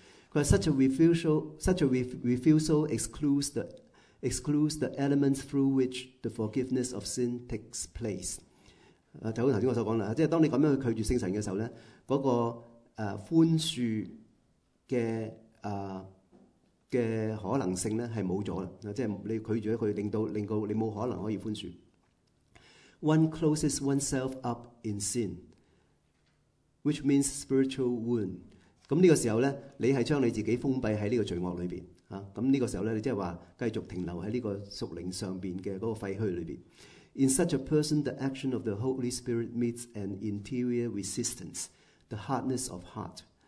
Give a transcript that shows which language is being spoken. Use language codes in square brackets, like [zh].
[zh] 他说 [en] such a refusal excludes the elements through which the forgiveness of sin takes place。 [zh] 就像刚才我所说的，即是当你这样去拒绝圣神的时候，那个宽恕的可能性是没有了，即你拒绝它，令到你没可能可以宽恕。 [en] One closes oneself up in sin, which means spiritual wound。 [zh] 这个时候呢，你是将你自己封闭在这个罪恶里面，这个时候呢，你就是说继续停留在这个属灵上面的那个废墟里面。 [en] In such a person, the action of the Holy Spirit meets an interior resistance, the hardness of heart。